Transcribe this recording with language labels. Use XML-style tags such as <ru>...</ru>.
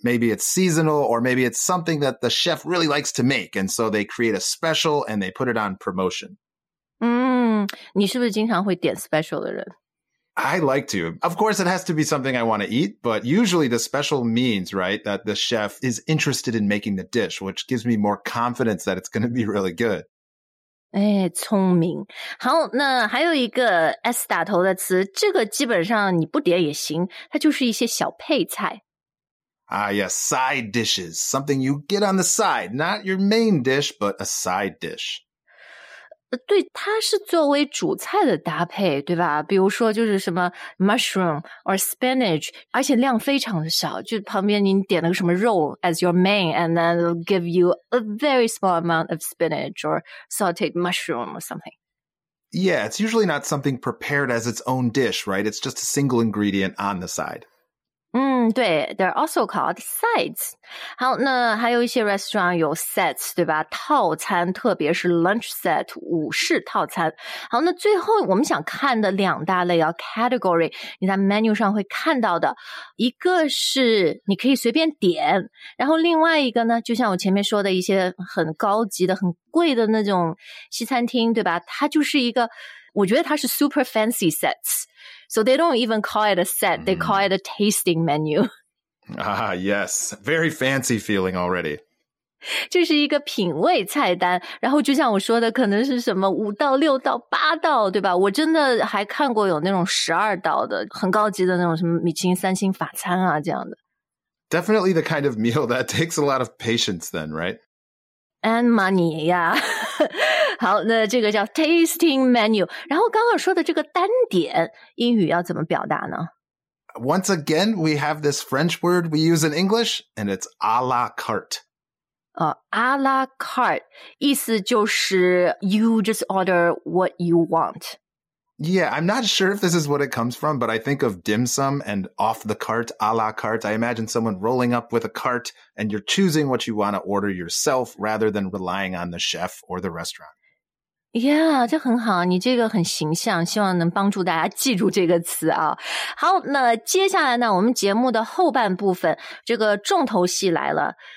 <en>Maybe it's seasonal, or maybe it's something that the chef really likes to make, and so they create a special and they put it on promotion.</en> <zh>你是不是经常会点 special 的人</zh> <en>I like to. Of course, it has to be something I want to eat, but usually the special means, right, that the chef is interested in making the dish, which gives me more confidence that it's going to be really good.</en> <zh>哎，聪明。好，那还有一个 S 打头的词，这个基本上你不点也行，它就是一些小配菜。</zh> <en>Ah, yes, side dishes, something you get on the side, not your main dish, but a side dish.</en> <zh>对，它是作为主菜的搭配，对吧？比如说就是什么</zh> <en>mushroom or spinach，</en> <zh>而且量非常的少，就旁边您点了个什么肉</zh> <en>as your main， and then it'll give you a very small amount of spinach or sauteed mushroom or something. Yeah, it's usually not something prepared as its own dish, right? It's just a single ingredient on the side.</en> <zh>嗯，对 ，</zh> <en>they're also called sides.</en> <zh>好，那还有一些 restaurant 有 sets， 对吧？套餐，特别是 lunch set 午市套餐。好，那最后我们想看的两大类啊 category， 你在 menu 上会看到的，一个是你可以随便点，然后另外一个呢，就像我前面说的一些很高级的、很贵的那种西餐厅，对吧？它就是一个，我觉得它是</zh> <en>super fancy sets。 So they don't even call it a set, they call it a tasting menu. Ah, yes, very fancy feeling already.</en> <zh>这是一个品味菜单，然后就像我说的，可能是什么五道、六道、八道，对吧？我真的还看过有那种十二道的，很高级的那种什么米其林三星法餐啊，这样的。</zh> <en>Definitely the kind of meal that takes a lot of patience then, right? And money, yeah.</en> <zh>好，那这个叫</zh> <en>tasting menu。</en> <zh>然后刚刚说的这个单点，英语要怎么表达呢</zh> <en>？Once again, we have this French word we use in English, and it's à la carte. À la carte</en> <zh>意思就是</zh> <en>you just order what you want. Yeah, I'm not sure if this is what it comes from, but I think of dim sum and off the cart, à la carte. I imagine someone rolling up with a cart, and you're choosing what you want to order yourself rather than relying on the chef or the restaurant.</en> <zh>Yeah, 这很好，你这个很形象，希望能帮助大家记住这个词啊。好，那接下来呢，我们节目的后半部分，这个重头戏来了。</zh>